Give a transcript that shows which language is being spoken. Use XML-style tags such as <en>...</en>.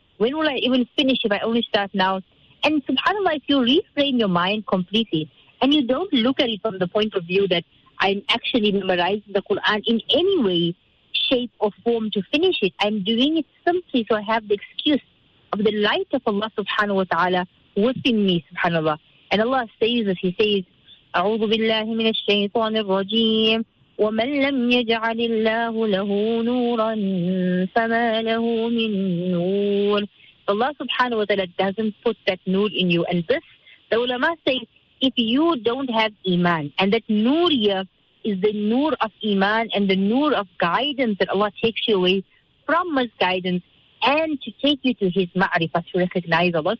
<en>When will I even finish if I only start now? And subhanAllah, if you reframe your mind completely and you don't look at it from the point of view that I'm actually memorizing the Quran in any way, shape or form to finish it, I'm doing it simply so I have the excuse of the light of Allah subhanahu wa ta'ala within me, subhanAllah.</en> <ar>And Allah says this, he says, أعوذ بالله من الشيطان الرجيم ومن لم يجعل الله له نورا فما له من نور.</ar> <en>Allah subhanahu wa ta'ala doesn't put that nur in you. And this, the ulama say, if you don't have iman, and that nur here is the nur of iman and the nur of guidance that Allah takes you away from his guidance and to take you to his ma'rifah, to recognize Allah.</en>